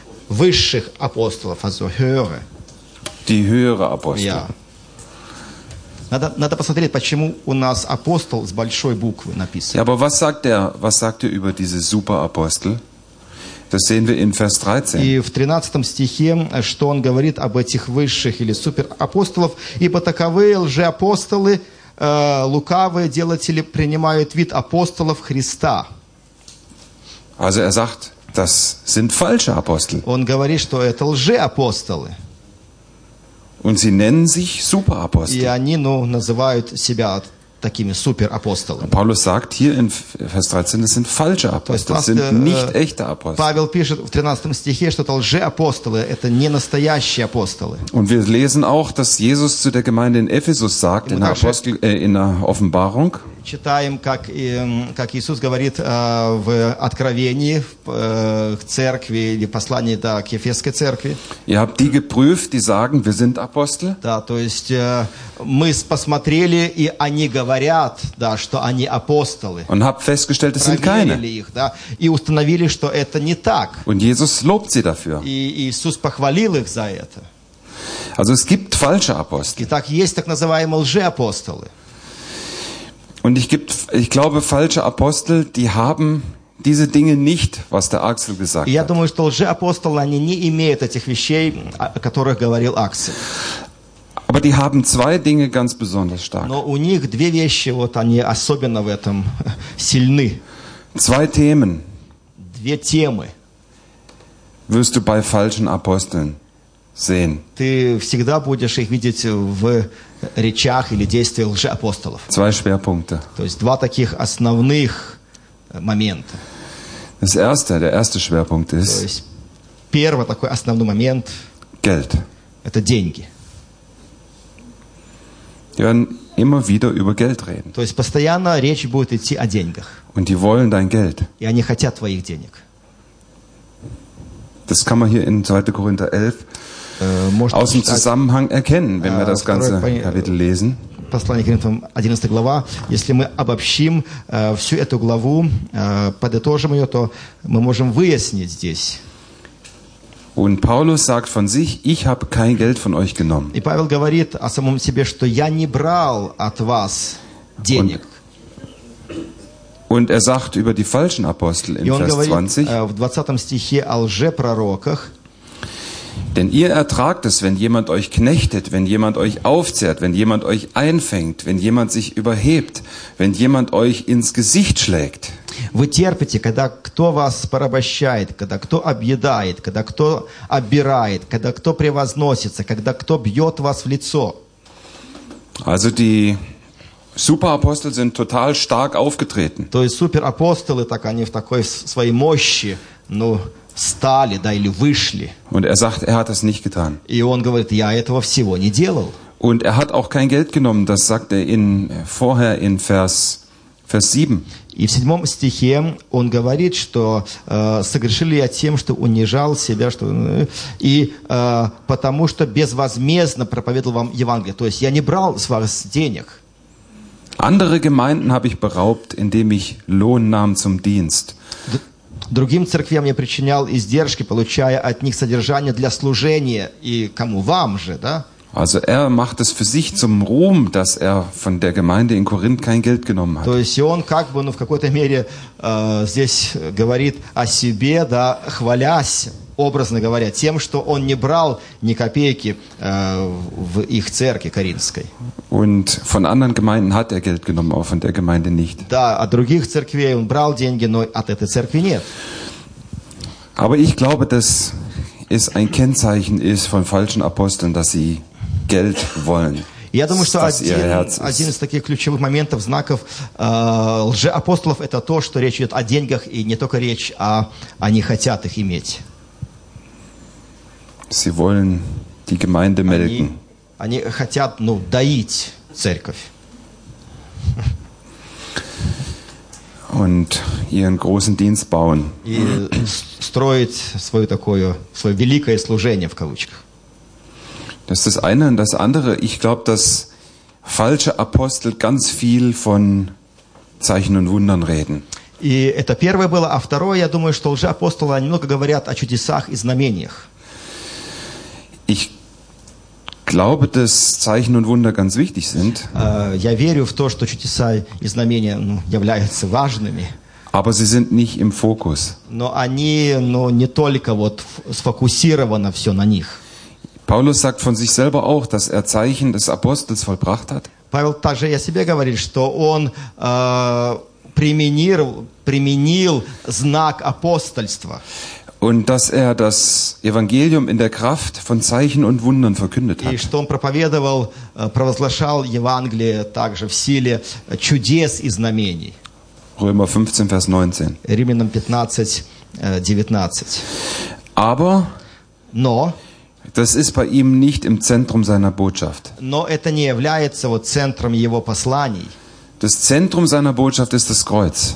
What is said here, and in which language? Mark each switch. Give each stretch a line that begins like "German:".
Russian: Высших апостолов,
German: also höhere. Die höhere Apostel. Ja.
Russian: Надо посмотреть, почему у нас апостол с большой буквы написан.
German: Ja, aber was sagt er über diese Superapostel? Das sehen wir in Vers 13.
Russian: И в 13 стихе, что он говорит об этих высших или суперапостолов, ибо таковые лжеапостолы, лукавые делатели принимают вид апостолов Христа.
German: Also er sagt, das sind falsche Apostel.
Russian: Он говорит, что это лжеапостолы.
German: Und sie nennen sich Superapostel.
Russian: И они, ну, называют себя такими суперапостолами.
German: Paulus sagt hier in Vers 13, es sind falsche Apostel, es sind nicht echte Apostel.
Russian: Павел пишет в 13 стихе, что это лжеапостолы, это не настоящие апостолы.
German: Und wir lesen auch, dass Jesus zu der Gemeinde in Ephesus sagt, in der Offenbarung.
Russian: Читаем, как Иисус говорит в Откровении к церкви или послании да, к Ефесской церкви.
German: Ihr habt die geprüft, die sagen, wir sind Apostel.
Russian: Да, то есть мы посмотрели, и они говорят, да, что они апостолы.
German: Und habt festgestellt, es sind keine.
Russian: Проверили их, да, и установили, что это не так.
German: Und Jesus lobt sie dafür.
Russian: И Иисус похвалил их за это.
German: Also es gibt falsche Apostel.
Russian: Итак, есть так называемые лжеапостолы.
German: Und ich glaube, falsche Apostel, die haben diese Dinge nicht, was der Axel gesagt hat.
Russian: Я думаю, что лжеапостолы, они не имеют этих вещей, о которых говорил Аксель.
German: Aber die haben zwei Dinge ganz besonders stark.
Russian: Но у них две вещи, вот они особенно в этом сильны.
German: Zwei Themen.
Russian: Две темы.
German: Wirst du bei falschen Aposteln sehen.
Russian: Ты всегда будешь их видеть в речах или действиях лжеапостолов.
German: Zwei Schwerpunkte.
Russian: То есть два таких основных момента.
German: Das erste, der erste Schwerpunkt ist.
Russian: То есть первый такой основной момент.
German: Geld.
Russian: Это деньги.
German: Die werden immer wieder über Geld reden.
Russian: То есть постоянно речь будет идти о деньгах.
German: Und die wollen dein Geld.
Russian: И они хотят твоих денег.
German: Das kann man hier in 2. Korinther 11 aus dem Zusammenhang erkennen, wenn wir das ganze Kapitel lesen.
Russian: Послание к Коринфянам, 11 глава. Если мы обобщим всю эту главу, подытожим ее, то мы можем выяснить здесь.
German: Und Paulus sagt von sich, ich habe kein Geld von euch genommen.
Russian: И Павел говорит о самом себе, что я не брал от вас денег.
German: Und er sagt über die falschen Apostel in Vers 20,
Russian: в 20 стихе о лжепророках,
German: denn ihr ertragt es, wenn jemand euch knechtet, wenn jemand euch aufzehrt, wenn jemand euch einfängt, wenn jemand sich überhebt, wenn jemand euch ins Gesicht schlägt.
Russian: Вы терпите, когда кто вас порабощает, когда кто объедает, когда кто обирает, когда кто превозносится, когда кто бьет вас в лицо.
German: Also die Superapostel sind total stark aufgetreten.
Russian: То есть суперапостолы, так они в такой своей мощи, ну, стали, да, или вышли.
German: Und er sagt, er hat das nicht getan.
Russian: И он говорит, я этого всего не делал.
German: Und er hat auch kein Geld genommen, das sagt er vorher in Vers 7.
Russian: И в 7 стихе он говорит, что согрешил я тем, что унижал себя, что, и потому что безвозмездно проповедовал вам Евангелие. То есть я не брал с вас денег.
German: Andere Gemeinden habe ich beraubt, indem ich Lohn nahm zum Dienst.
Russian: Другим церквям я причинял издержки, получая от них содержание для служения, и кому вам же, да?
German: Also er macht es für sich zum Ruhm, dass er von der Gemeinde in Korinth kein Geld genommen hat.
Russian: То есть он как бы, ну, в какой-то мере здесь говорит о себе, да, хвалясь, образно говоря, тем, что он не брал ни копейки в их церкви Коринфской.
German: Und von anderen Gemeinden hat er Geld genommen, auch von der Gemeinde nicht.
Russian: Да, от других церквей он брал деньги, но от этой церкви нет.
German: Aber ich glaube, dass es ein Kennzeichen ist von falschen Aposteln, dass sie Geld wollen.
Russian: Я думаю, что один из таких ключевых моментов, знаков лжеапостолов, это то, что речь идет о деньгах, и не только речь, а они хотят их иметь.
German: Sie wollen die Gemeinde melken.
Russian: Они хотят, ну, доить церковь.
German: Und ihren großen Dienst bauen.
Russian: И строить свое такое, свое великое служение в кавычках.
German: Das ist das eine und das andere. Ich glaube, dass falsche Apostel ganz viel von Zeichen und Wundern reden.
Russian: И это первое было, а второе, я думаю, что лжеапостолы немного говорят о чудесах и знамениях.
German: Ich glaube, dass Zeichen und Wunder ganz wichtig sind.
Russian: Я верю в то, что чудеса и знамения, ну, являются важными.
German: Aber sie sind nicht im Fokus.
Russian: Но они, ну, не только вот сфокусировано все на них.
German: Paulus sagt von sich selber auch, dass er Zeichen des Apostels vollbracht hat.
Russian: Павел также о себе говорит, что он применил знак апостольства.
German: Und dass er das Evangelium in der Kraft von Zeichen und Wundern verkündet hat.
Russian: И что он проповедовал, провозглашал Евангелие также в силе чудес и знамений.
German: Römer 15, Vers 19.
Russian: Римлянам 15, 19.
German: Aber
Russian: но,
German: das ist bei ihm nicht im Zentrum seiner Botschaft.
Russian: Но это не является вот центром его посланий.
German: Das Zentrum seiner Botschaft ist das Kreuz.